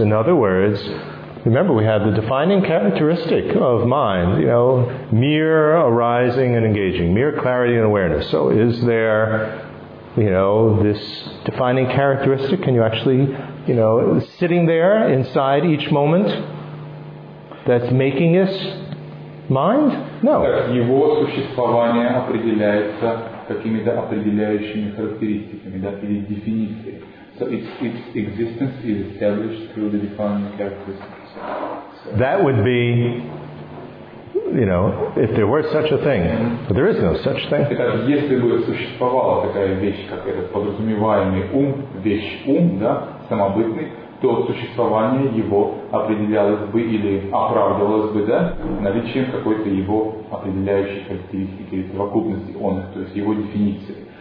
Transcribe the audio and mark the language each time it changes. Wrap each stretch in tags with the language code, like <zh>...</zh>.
<en>In other words, remember, we have the defining characteristic of mind, you know, mere arising and engaging, mere clarity and awareness. So is there, you know, this defining characteristic? Can you actually, you know, sitting there inside each moment that's making us mind? No.</en> <ru>Его существование определяется какими-то определяющими характеристиками, да, или дефиницией.</ru> <en>So its existence is established through the defining characteristics. That would be, you know, if there were such a thing. But there is no such thing.</en> <ru>Итак, если бы существовала такая вещь, как этот подразумеваемый ум, вещь ум, да, самобытный, то существование его определялось бы или оправдывалось бы, да, наличием какой-то его определяющей характеристики, совокупности он, то есть его дефиниции.</ru>